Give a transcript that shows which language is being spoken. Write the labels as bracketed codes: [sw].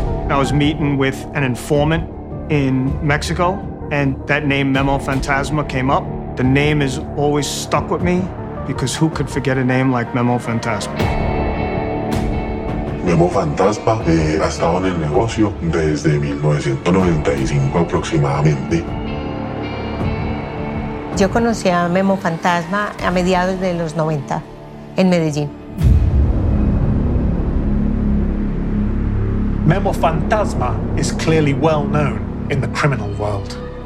[en] I was meeting with an informant in Mexico, and that name Memo Fantasma came up. The name has always stuck with me, because who could forget a name like Memo Fantasma? [es] Memo Fantasma ha estado en el negocio desde 1995 aproximadamente. Yo conocí a Memo Fantasma a mediados de los 90 en Medellín. [en] Memo Fantasma is clearly well known in the criminal world.